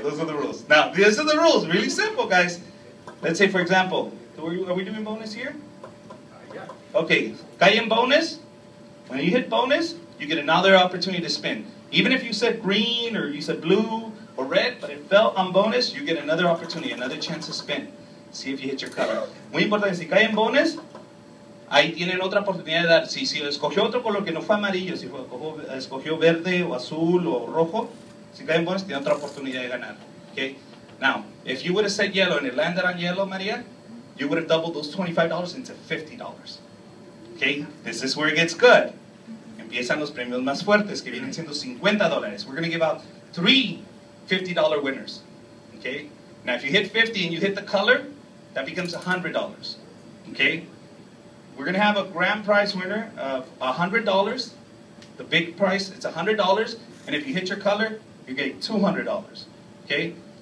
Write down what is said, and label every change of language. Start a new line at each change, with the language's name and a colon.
English: Those are the rules. Now, these are the rules. Really simple, guys. Let's say, for example, are we doing bonus here? Yeah. Okay, guy in bonus, when you hit bonus, you get another opportunity to spin. Even if you said green or you said blue or red, but it fell on bonus, you get another opportunity, another chance to spin. See if you hit your color.
Spanish: Muy importante, si cae en bonus, ahí tienen otra oportunidad de dar. Si escogió otro color que no fue amarillo, si escogió verde o azul o rojo, si cae en bonus, tiene otra oportunidad de ganar.
English: Okay? Now, if you would have said yellow and it landed on yellow, Maria, you would have doubled those $25 into $50. Okay? This is where it gets good.
Spanish: Empiezan los premios más fuertes, que vienen siendo $50.
English: We're going to give out 3 $50 winners. Okay? Now, if you hit 50 and you hit the color, that becomes $100. Okay? We're going to have a grand prize winner of $100. The big prize, it's $100. And if you hit your color, you get $200. Okay?